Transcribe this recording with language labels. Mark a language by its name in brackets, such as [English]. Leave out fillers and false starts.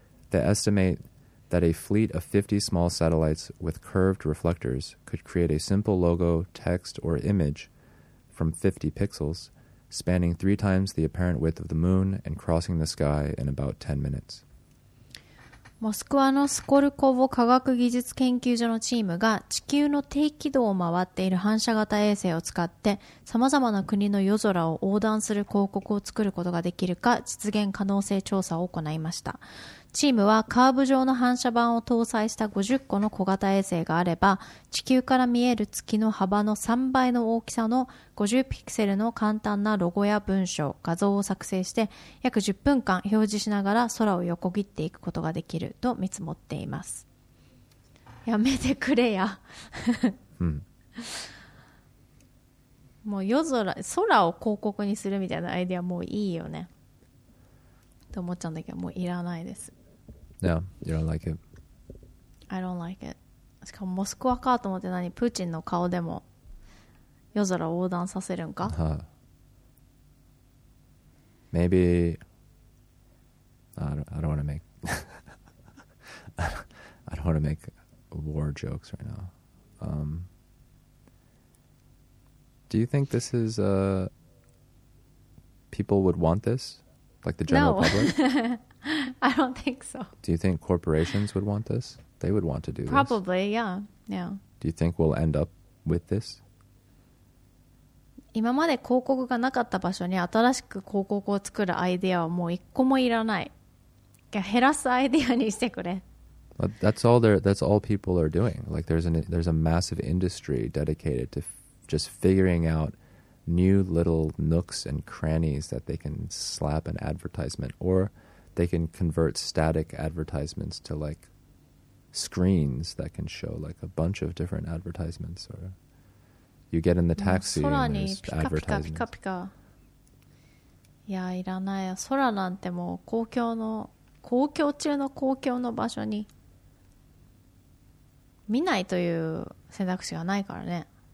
[English] They estimate that a fleet of 50 small satellites with curved reflectors could create a simple logo, text, or image from 50 pixels, spanning three times the apparent width of the moon and crossing the sky in about 10 minutes. [Japanese] モスクワのスコルコボ科学技術研究所のチームが地球の低軌道を回っている反射型衛星を使って様々な国の夜空を横断する広告を作ることができるか実現可能性調査を行いました。チームはカーブ状の反射板を搭載した50個の小型衛星があれば地球から見える月の幅の3倍の大きさの50ピクセルの簡単なロゴや文章、画像を作成して約10分間表示しながら空を横切っていくことができると見積もっています。やめてくれや、うん、もう夜空、空を広告にするみたいなアイデアもういいよねって思っちゃうんだけど、もういらないです。 [English] Yeah, you don't like it. I don't like it. [Japanese] しかもモスクワかと思って、何プーチンの顔でも夜空を横断させるんか、 huh. [English] Maybe I don't want to make I don't want to make war jokes right now. Do you think this is people would want this? Like the general public? I don't think so. Do you think corporations would want this? They would want to do Probably, Probably, yeah. Yeah. Do you think we'll end up with this? [Japanese] 今まで広告がなかった場所に新しく広告を作るアイデアはもう一個もいらない。減らすアイデアにしてくれ。 [English] But that's all people are doing. Like there's a massive industry dedicated to just figuring out new little nooks and crannies that they can slap an advertisement, or they can convert static advertisements to like screens that can show like a bunch of different advertisements. Or you get in the taxi and there's advertisements. [Japanese] ピカピカピカピカ。いや、いらないよ。空なんてもう公共中の場所に見ないという選択肢がないからね。